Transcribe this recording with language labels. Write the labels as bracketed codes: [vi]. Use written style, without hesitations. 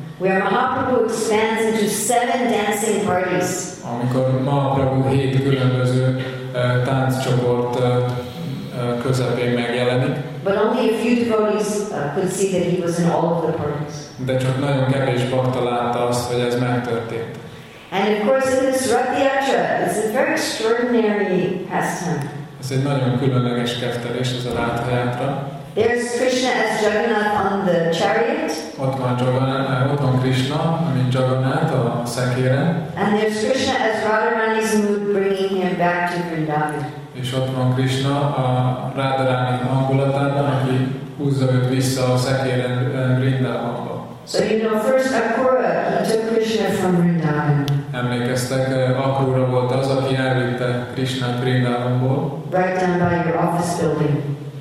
[en] Where Mahaprabhu expands into 7 dancing parties. [hu] Amikor Mahaprabhu 7 különböző tánccsoport közepén megjelenik. [en] But only a few devotees could see that he was in all of the parties. [hu] De csak nagyon kevés bhakta látta azt, hogy ez megtörtént. [en] And of course, in this Rath Yatra, it's a very extraordinary pastime. [hu] Ez egy nagyon különleges keftelés, ez a Rath Yatra. [en] There's Krishna as Jagannath on the chariot. [hu] Ott van Krishna, mint Jagannath a szekéren. [en] And there's Krishna as Radharani's mood, bringing him back to Vrindavan. [hu] És ott van Krishna a Radharani hangulatában, aki húzza őt vissza a szekéren Vrindavanba. [en] So you know, first Akura, he took Krishna from Vrindavan. [hu] Emlékeztek, Akura volt az, aki elvitte Krishna Vrindavanból. [en] Right down by your office building.